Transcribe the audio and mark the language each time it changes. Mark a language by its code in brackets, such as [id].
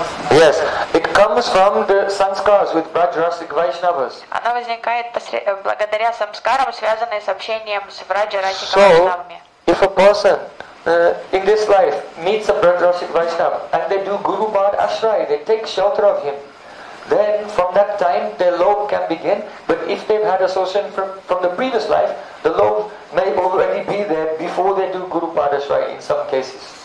[en] Yes, it comes from the sanskars with Vrajarasic Vaishnavas. [ru] Она возникает благодаря самскарам, связанные с общением с Vrajarasic Vaishnavами. [en] So, if a person in this life meets a Vrajarasic Vaishnava and they do Guru Pad Ashray, they take shelter of him, then from that time their lobe can begin. But if they've had association from the previous life, the lobe may already be there before they do Guru Padashray in some cases.